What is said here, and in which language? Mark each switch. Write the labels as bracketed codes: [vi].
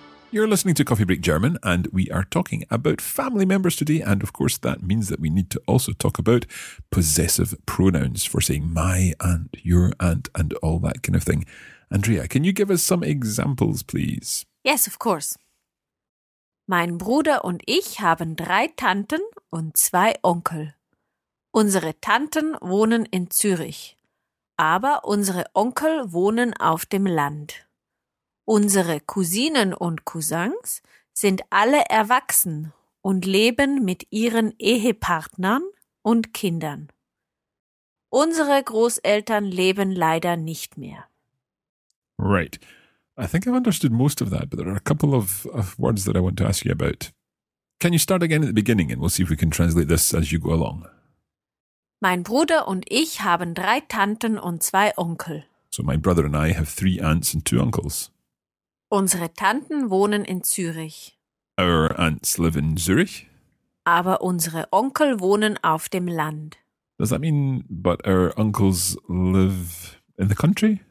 [en] You're listening to Coffee Break German, and we are talking about family members today. And of course, that means that we need to also talk about possessive pronouns for saying my aunt, your aunt, and all that kind of thing. Andrea, can you give us some examples, please? Yes, of course. [de] Mein Bruder und ich haben drei Tanten und zwei Onkel. Unsere Tanten wohnen in Zürich, aber unsere Onkel wohnen auf dem Land. Unsere Cousinen und Cousins sind alle erwachsen und leben mit ihren Ehepartnern und Kindern. Unsere Großeltern leben leider nicht mehr. [en] Right. I think I've understood most of that, but there are a couple of words that I want to ask you about. Can you start again at the beginning and we'll see if we can translate this as you go along? [de] Mein Bruder und ich haben drei Tanten und zwei Onkel. [en] So my brother and I have three aunts and two uncles. [de] Unsere Tanten wohnen in Zürich. [en] Our aunts live in Zürich. [de] Aber unsere Onkel wohnen auf dem Land. [en] Does that mean, but our uncles live in the country?